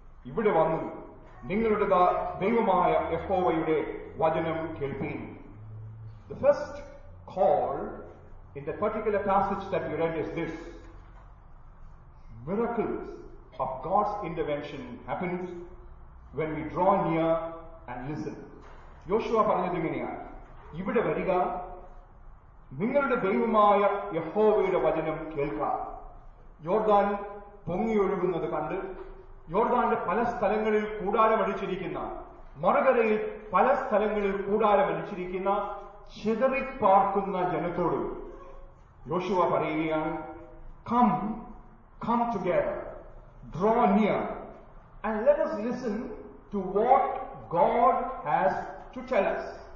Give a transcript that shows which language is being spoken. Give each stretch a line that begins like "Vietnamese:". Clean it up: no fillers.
Malayalam: ഇവിടെ വന്നു നിങ്ങളുടെ ദൈവമായ യഹോവയുടെ വചനം കേൾപ്പീൻ.
English: The first call in the particular passage that we read is this: miracles of God's intervention happens when we draw near and listen.
Malayalam: യോശുവ പറഞ്ഞത് എങ്ങനെയാണ്? ഇവിടെ വരിക, നിങ്ങളുടെ ദൈവമായ യഹോവയുടെ വചനം കേൾക്ക. യോർദാൻ പൊങ്ങിയൊഴുകുന്നത് കണ്ട് യോർദാന്റെ പല സ്ഥലങ്ങളിൽ കൂടാരമടിച്ചിരിക്കുന്ന മറുകരയിൽ പല സ്ഥലങ്ങളിൽ കൂടാരമടിച്ചിരിക്കുന്ന ചിതറിപ്പാർക്കുന്ന ജനത്തോട് യോശുവ പറയുകയാണ്,
English: Come together, draw near and let us listen to what God has to tell us.